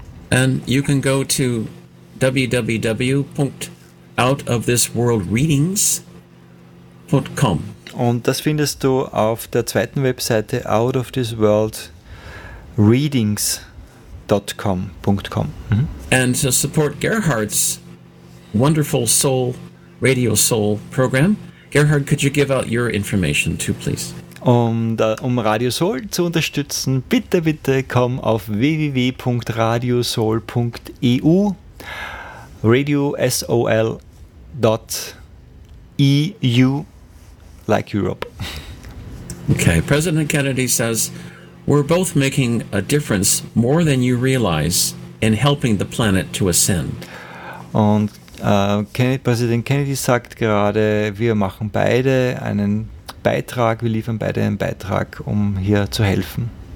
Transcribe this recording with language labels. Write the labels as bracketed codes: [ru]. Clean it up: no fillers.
[en] And you can go to www.outofthisworldreadings.com. [de] Und das findest du auf der zweiten Webseite outofthisworldreadings.com. Mhm. [en] And to support Gerhard's wonderful soul, Radio Soul program. Gerhard, could you give out your information too, please? [de] Um Radio Soul zu unterstützen, bitte, bitte komm auf www.radiosoul.eu, radiosol.eu, [en] like Europe. Okay, President Kennedy says, we're both making a difference more than you realize in helping the planet to ascend. [de] Und Präsident Kennedy sagt gerade, wir machen beide einen Beitrag, wir liefern beide einen Beitrag, um hier zu helfen.